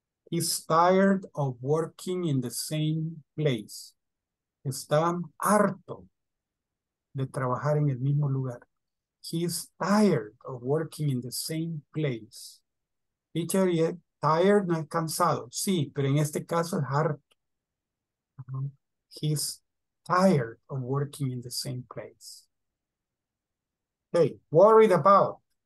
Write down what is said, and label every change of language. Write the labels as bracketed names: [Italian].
[English] He's tired of working in the same place. [Spanish] Está harto de trabajar en el mismo lugar. [English] He's tired of working in the same place. Teacher, yeah, tired, [Spanish] no es cansado. Sí, pero en este caso es harto. [English] He's tired of working in the same place. Okay, worried about.